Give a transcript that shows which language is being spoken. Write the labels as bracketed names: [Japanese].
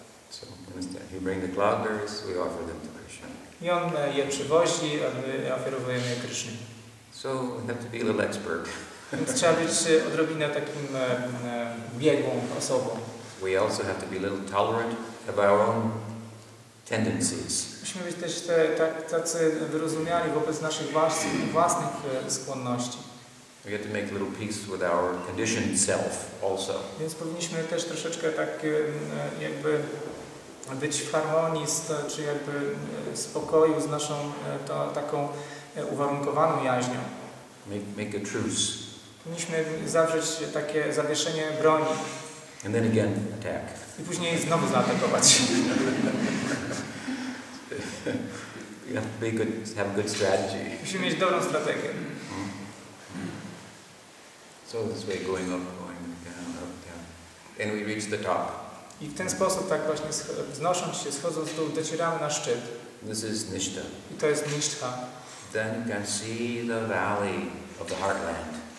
[English] So, he bring the cloudberries, we offer them to Krishna. [Polish] I on je przywozi, a my oferujemy je Krishna. [English] So, we have to be a little expert. [Polish] Więc trzeba być odrobinę takim biegłą osobą. [English] We also have to be a little tolerant of our own tendencies. [Polish] Musimy być też tacy wyrozumiali wobec naszych własnych skłonności. [English] We have to make a little peace with our conditioned self also. [Polish] Więc powinniśmy też troszeczkę tak jakby być w harmonii czy jakby spokoju z naszą taką uwarunkowaną jaźnią. [English] Make a truce. [Polish] Powinniśmy zawrzeć takie zawieszenie broni. [English] And then again, attack. [Polish] I później znowu zaatakować. [English] You have to be good, have a good strategy. [Polish] Musimy mieć dobrą strategię. [English] So this way, going up, going down, up, down. And we reach the top. [Polish] I w ten sposób, tak właśnie wznosząc się, schodząc w dół, docieramy na szczyt. [English] This is Nishtha. [Polish] I to jest Nishtha. [English] Then you can see the valley of the heartland.